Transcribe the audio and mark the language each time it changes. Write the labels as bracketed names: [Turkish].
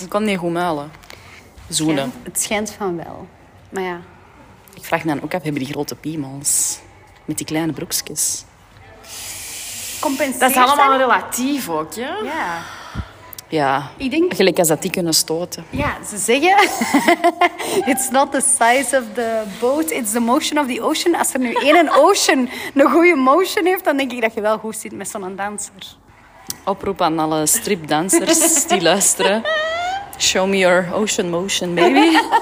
[Dutch] Ik kon niet goed muilen. Zoenen. Het schijnt van wel. Maar ja. Ik vraag me dan ook af, hebben die grote piemels? Met die kleine broekjes? Compenseer. Dat is allemaal relatief ook, ja? Ja. Ja. Ik denk... Gelijk als dat die kunnen stoten. Ja, ze zeggen... [English] It's not the size of the boat, it's the motion of the ocean. [Dutch] Als er nu één ocean een goede motion heeft, dan denk ik dat je wel goed zit met zo'n danser. Oproep aan alle stripdansers die luisteren. [English] Show me your ocean motion, baby.